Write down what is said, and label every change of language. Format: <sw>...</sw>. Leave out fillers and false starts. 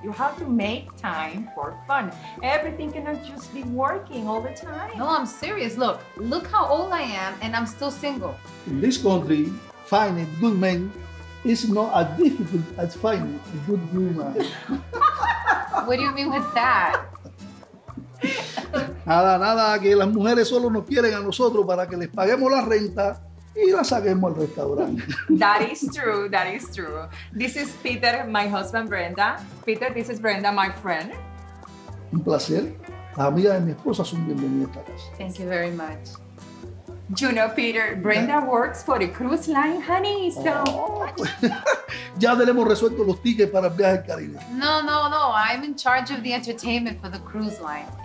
<en>You have to make time for fun. Everything cannot just be working all the time. No, I'm serious. Look, look how old I am and I'm still single. In this country, finding good men is not as difficult as finding a good woman. What do you mean with that?</en> <es>Nada, nada, que las mujeres solo nos quieren a nosotros para que les paguemos la renta y la saquemos al restaurante.</es> <en>That is true, that is true. This is Peter, my husband Brenda. Peter, this is Brenda, my friend.</en> <es>Un placer. Las amigas de mi esposa son bienvenidas a esta casa.</es> <en>Thank you very much. You know, Peter, Brenda works for the cruise line, honey, so...</en> <es>Ya tenemos resuelto los tickets para el viaje al Caribe.</es> <en>No, no, no, I'm in charge of the entertainment for the cruise line.</en>